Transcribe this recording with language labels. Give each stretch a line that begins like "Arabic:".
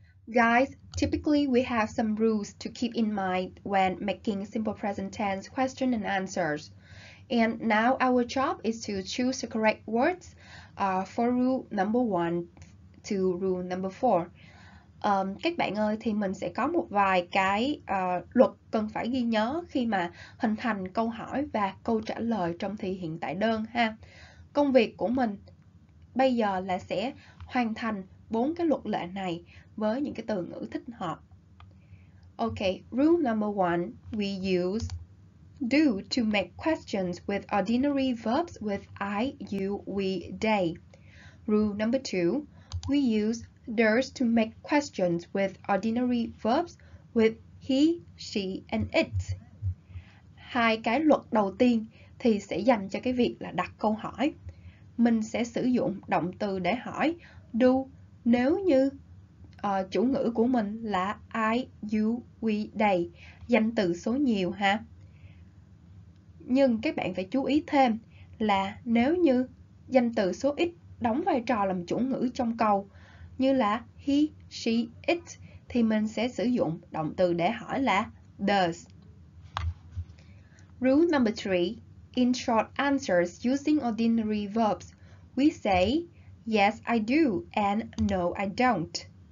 English: Guys, typically we have some rules to keep in mind when making simple present tense questions and answers. And now our job is to choose the correct words for rule number 1 to rule number 4.
Vietnamese: Các bạn ơi, thì mình sẽ có một vài cái luật cần phải ghi nhớ khi mà hình thành câu hỏi và câu trả lời trong thi hiện tại đơn ha. Công việc của mình bây giờ là sẽ hoàn thành bốn cái luật lệ này với những cái từ ngữ thích hợp.
English: Ok, rule number 1, we use do to make questions with ordinary verbs with I, you, we, they. Rule number 2, we use does to make questions with ordinary verbs with he, she, and it.
Vietnamese: Hai cái luật đầu tiên thì sẽ dành cho cái việc là đặt câu hỏi. Mình sẽ sử dụng động từ để hỏi do nếu như chủ ngữ của mình là
English: I, you, we, they,
Vietnamese: danh từ số nhiều ha. Nhưng các bạn phải chú ý thêm là nếu như danh từ số ít đóng vai trò làm chủ ngữ trong câu, như là
English: he, she, it,
Vietnamese: thì mình sẽ sử dụng động từ để hỏi là does.
English: Rule number 3. In short answers using ordinary verbs, we say yes, I do and no, I don't.